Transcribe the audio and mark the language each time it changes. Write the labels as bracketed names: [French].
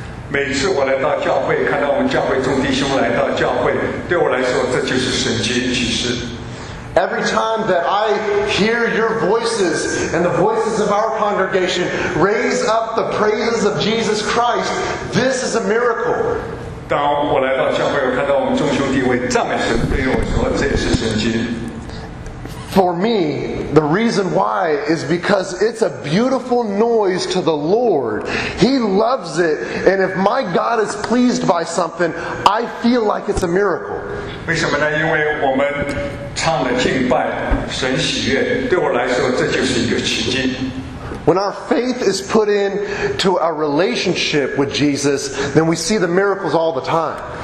[Chinese] 每次我来到教会，看到我们教会众弟兄来到教会，对我来说，这就是神迹奇事。 [English] Every time that I hear your voices and the voices of our congregation raise up the praises of Jesus Christ, this is a miracle. [Chinese] 当我来到教会，我看到我们众兄弟为赞美神，对我说，这也是神迹。 [English] For me, the reason why is because it's a beautiful noise to the Lord. He loves it, and if my God is pleased by something, I feel like it's a miracle. [Chinese] 为什么呢？因为我们唱了敬拜，神喜悦，对我来说，这就是一个奇迹。 [English] When our faith is put into our relationship with Jesus, then we see the miracles all the time.